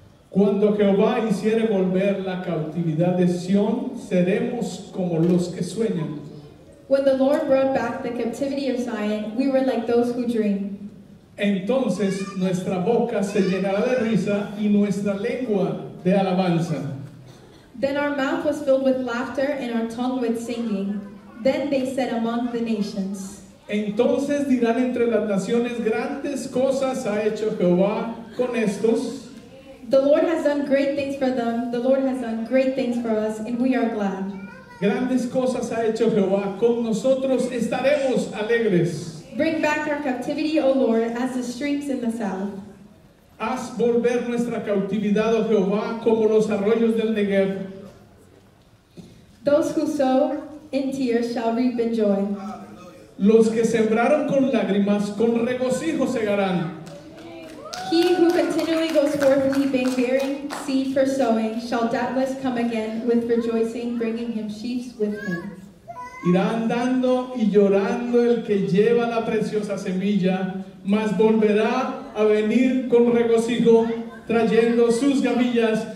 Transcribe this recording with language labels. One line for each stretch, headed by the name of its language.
Spanish: Cuando Jehová hiciere volver la cautividad de Sion, seremos como los que sueñan.
English: When the Lord brought back the captivity of Zion, we were like those who dream.
Spanish: Entonces nuestra boca se llenará de risa y nuestra lengua de alabanza.
English: Then our mouth was filled with laughter and our tongue with singing. Then they said among the nations.
Spanish: Entonces dirán entre las naciones, grandes cosas ha hecho Jehová con estos.
English: The Lord has done great things for them. The Lord has done great things for us, and we are glad.
Spanish: Grandes cosas ha hecho Jehová, con nosotros estaremos alegres.
English: Bring back our captivity, O Lord, as the streams in the south.
Spanish: Haz volver nuestra cautividad, oh Jehová, como los arroyos del Negev.
English: Those who sow in tears shall reap in joy.
Spanish: Los que sembraron con lágrimas, con regocijo segarán.
English: He who continually goes forth weeping, bearing seed for sowing, shall doubtless come again with rejoicing, bringing him sheaves with him.
Spanish: Irá andando y llorando el que lleva la preciosa semilla, mas volverá a venir con regocijo, trayendo sus gavillas.